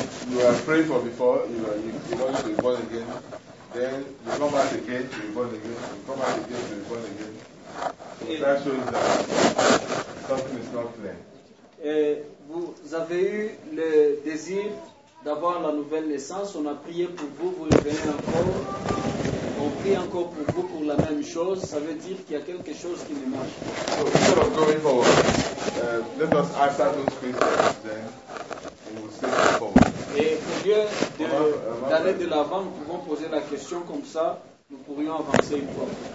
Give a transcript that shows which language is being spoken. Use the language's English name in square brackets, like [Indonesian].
[English] You are praying for before, you want to be born again, then you come back again to be born again, you come back again to be born again. So that shows that something is not clear. [French] Vous avez eu le désir d'avoir la nouvelle naissance, on a prié pour vous, vous revenez encore, on prie encore pour vous pour la même chose, ça veut dire qu'il y a quelque chose qui ne marche pas. [English] So, instead of going forward, let us ask those questions, then we will stay forward. [French] Et au lieu d'aller de l'avant, nous pouvons poser la question comme ça, nous pourrions avancer une fois.